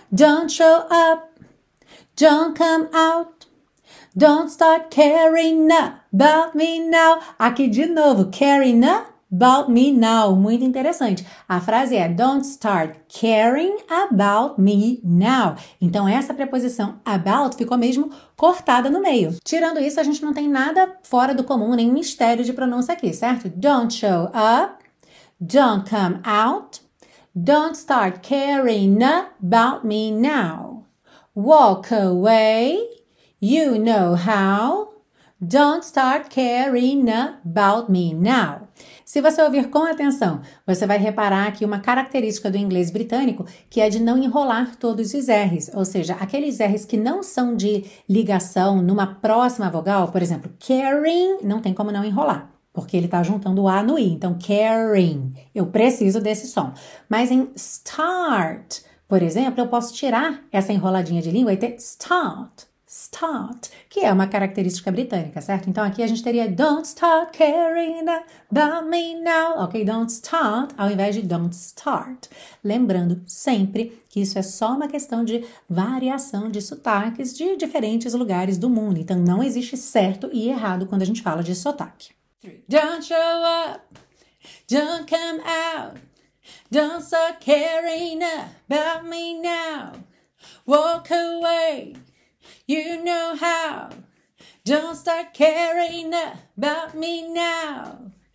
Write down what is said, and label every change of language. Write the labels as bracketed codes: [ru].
[en] Don't show up, don't come out, don't start caring about me now. [pt] Aqui de novo, [en] caring about me now. [pt] Muito interessante. A frase é [en] don't start caring about me now. [pt] Então, essa preposição about ficou mesmo cortada no meio. Tirando isso, a gente não tem nada fora do comum, nem mistério de pronúncia aqui, certo? [en] Don't show up, don't come out, don't start caring about me now. Walk away, you know how. Don't start caring about me now. [pt] Se você ouvir com atenção, você vai reparar aqui uma característica do inglês britânico, que é de não enrolar todos os R's, ou seja, aqueles R's que não são de ligação numa próxima vogal, por exemplo, caring, não tem como não enrolar, porque ele está juntando o A no I. Então, caring, eu preciso desse som. Mas em start, por exemplo, eu posso tirar essa enroladinha de língua e ter start. Start, que é uma característica britânica, certo? Então, aqui a gente teria [en] don't start caring about me now. Ok, don't start, [pt] ao invés de [en] don't start. [pt] Lembrando sempre que isso é só uma questão de variação de sotaques de diferentes lugares do mundo. Então, não existe certo e errado quando a gente fala de sotaque. [en] Don't show up, don't come out, don't start caring about me now. Walk away, you know how. Don't start caring about me now.